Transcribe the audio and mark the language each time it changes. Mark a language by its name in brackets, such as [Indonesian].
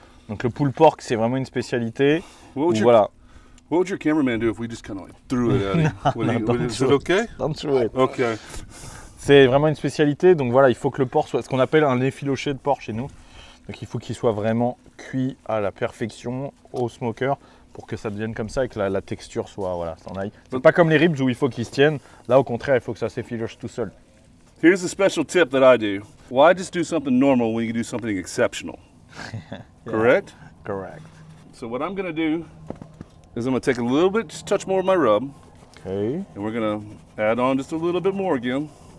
[French] Donc le pulled pork, c'est vraiment une spécialité. [English] What would your cameraman do if we just kind of like threw it at him? Don't throw it. Okay. [French] C'est vraiment une spécialité. Donc voilà, il faut que le porc soit ce qu'on appelle un effiloché de porc chez nous. Donc il faut qu'il soit vraiment cuit à la perfection au smoker pour que ça devienne comme ça et que la texture soit voilà, s'en aille. C'est pas comme les ribs où il faut qu'ils se tiennent. Là, au contraire, il faut que ça s'effiloche tout seul. [English] Here's a special tip that I do. Why just do something normal when you can do something exceptional? Yeah. Correct? Correct. So what I'm gonna do is I'm gonna take a little bit, just touch more of my rub. Okay. And we're gonna add on just a little bit more again.